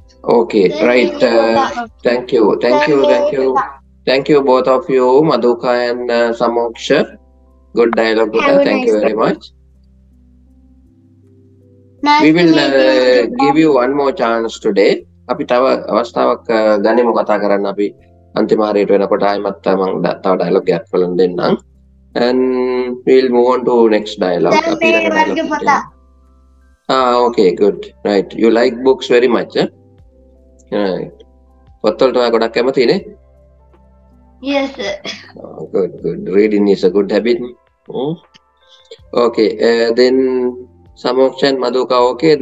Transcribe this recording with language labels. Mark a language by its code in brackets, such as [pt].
[en] Okay, so right. Thank you both of you, Madhuka and Samoksha. Good dialogue, Buddha. Thank you very much. We will give you one more chance today. [si] අපි තව අවස්ථාවක් ගනිමු කතා කරන්න අපි අන්තිම හරියට වෙනකොට ආයිමත් මම තව ඩයලොග් එකක් කලින් දෙන්නම් [en] and we'll move on to next dialogue [si] අපි ඊළඟ [en] okay good right you like books very much huh? right [si] පොත්වලට ඔයා ගොඩක් කැමති නේ? [en] Yes sir. Good good. Reading is a good habit. Okay, then Samoksha and Madhuka, okay.